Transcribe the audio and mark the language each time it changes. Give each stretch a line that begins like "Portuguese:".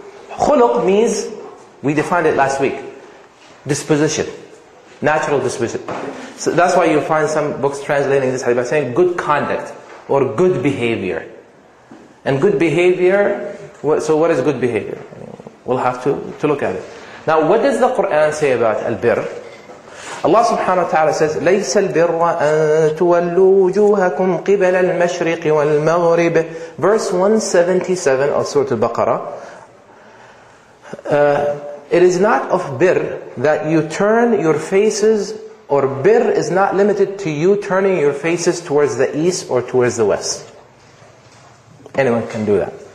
English: Khuluq means, we defined it last week, disposition, natural disposition. So that's why you find some books translating this hadith by saying good conduct or good behavior. And good behavior, so what is good behavior? We'll have to look at it. Now, what does the Quran say about al-birr? Allah subhanahu wa ta'ala says,
Arabic: لَيْسَ الْبِرَّ أَن تُوَلُّوا وُجُوهَكُمْ قِبَلَ الْمَشْرِقِ وَالْمَغْرِبِ.
English: Verse 177 of Surah Al-Baqarah. It is not of birr that you turn your faces, or birr is not limited to you turning your faces towards the east or towards the west. Anyone can do that.